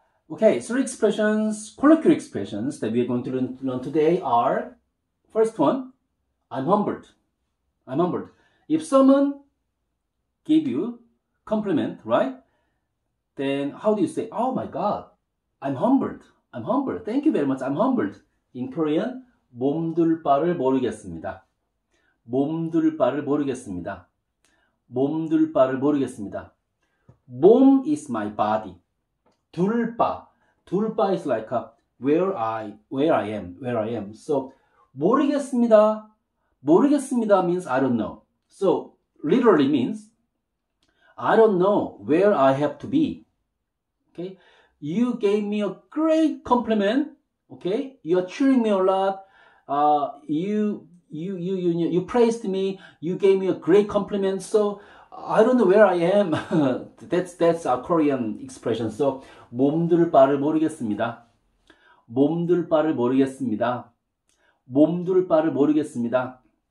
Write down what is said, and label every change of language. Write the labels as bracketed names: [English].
[English] Okay, three expressions, colloquial expressions that we are going to learn today are, first one, I'm humbled. I'm humbled. If someone gave you compliment, right? Then how do you say, oh my God, I'm humbled. I'm humbled. Thank you very much. I'm humbled. In Korean, [Korean] 몸둘 바를 모르겠습니다. 몸둘 바를 모르겠습니다. 몸둘 바를 모르겠습니다. [English] 몸 is my body. 둘 바. 둘 바 is like a where I am. So 모르겠습니다. 모르겠습니다 means I don't know. So literally means I don't know where I have to be. Okay? You gave me a great compliment. Okay? You are cheering me a lot. You praised me. You gave me a great compliment. So I don't know where I am. that's a Korean expression. [Korean] So 몸둘 바를 모르겠습니다. 몸둘 바를 모르겠습니다. 몸둘 바를 모르겠습니다.